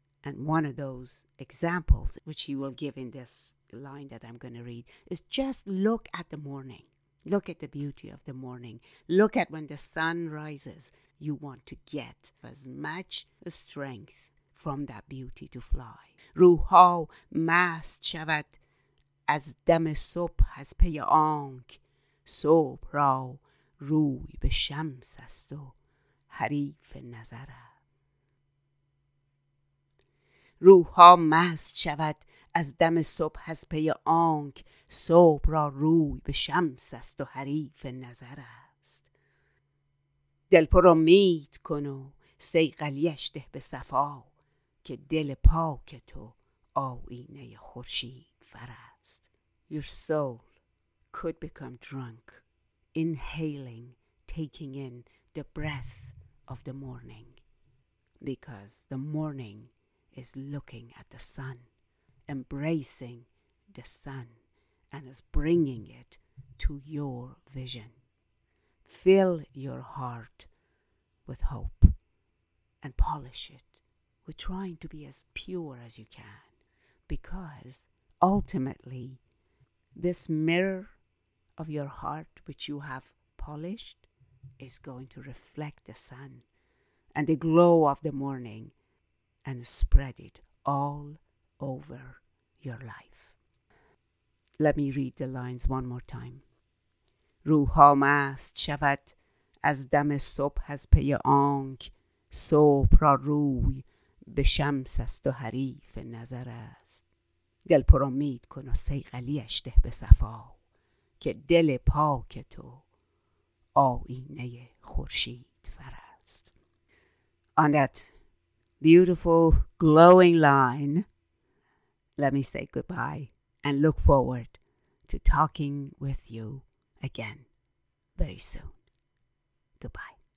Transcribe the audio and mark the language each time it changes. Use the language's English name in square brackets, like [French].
[English] And one of those examples which he will give in this line that I'm going to read is just look at the morning. Look at the beauty of the morning. Look at when the sun rises. You want to get as much strength from that beauty to fly. [Persian] Ruha mast shavad از دم صبح از پی آنک صبح را روی به شمس است و حریف نظر است. روح ها مست شود از دم صبح از پی آنک صبح را روی به شمس است و حریف نظر است. دل پر امید کن و صیقلیش ده به صفا، که دل پاک تو آینه خورشید فر است. [English] Your soul could become drunk, inhaling, taking in the breath of the morning, because the morning is looking at the sun, embracing the sun, and is bringing it to your vision. Fill your heart with hope and polish it we're trying to be as pure as you can, because ultimately this mirror of your heart, which you have polished, is going to reflect the sun and the glow of the morning and spread it all over your life. Let me read the lines one more time. [Persian] روحا مست شود از دم صبح از پی آنک صبح را روی به شمس است و حریف نظر است. دل پر امید کن و صیقلیش ده به صفا که دل پاک تو آینه خورشید فر است. [English] On that beautiful glowing line, let me say goodbye and look forward to talking with you again very soon. Goodbye.